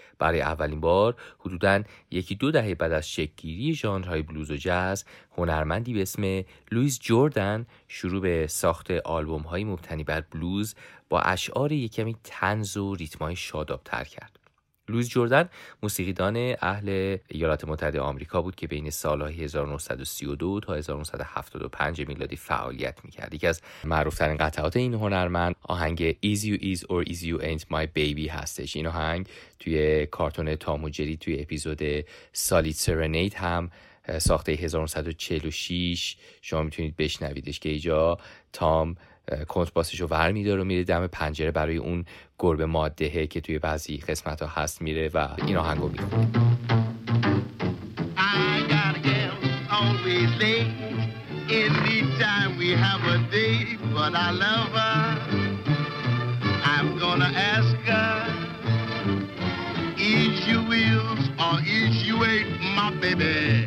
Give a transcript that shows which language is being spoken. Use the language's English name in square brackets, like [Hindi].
[Persian] برای اولین بار حدوداً یکی دو دهه بعد از شکل گیری ژانرهای بلوز و جاز، هنرمندی به اسم لوئیس جوردن شروع به ساخت آلبوم های مبتنی بر بلوز با اشعار یکمی طنز و ریتم‌های شادابتر کرد. لوئیس جوردن موسیقیدان اهل ایالات متحده آمریکا بود که بین سال‌های 1932 تا 1975 میلادی فعالیت می‌کرد. یکی از معروف‌ترین قطعات این هنرمند آهنگ Easy You Is or Easy You Ain't My Baby هستش. این آهنگ توی کارتون تام و جری توی اپیزود سالید سرنیت هم ساخته 1946 شما میتونید بشنویدش که ایجا تام کنترباسش رو ور میداره و میره دم پنجره برای اون گربه مادهه که توی بعضی قسمت ها هست میره و این آهنگ رو میره. [English] I got a girl always late. Any time we have a date, but I love her. I'm gonna ask her is you wills or is you ain't my baby.